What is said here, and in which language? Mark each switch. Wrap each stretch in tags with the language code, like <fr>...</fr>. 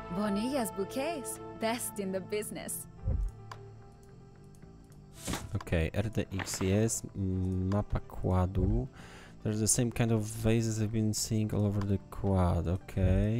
<en>Bonilla's bouquets, best in the business.</en> <pl>Okej, okay, RDX jest, mapa quadu.</pl> <en>There's the same kind of vases I've been seeing all over the quad, okej.</en>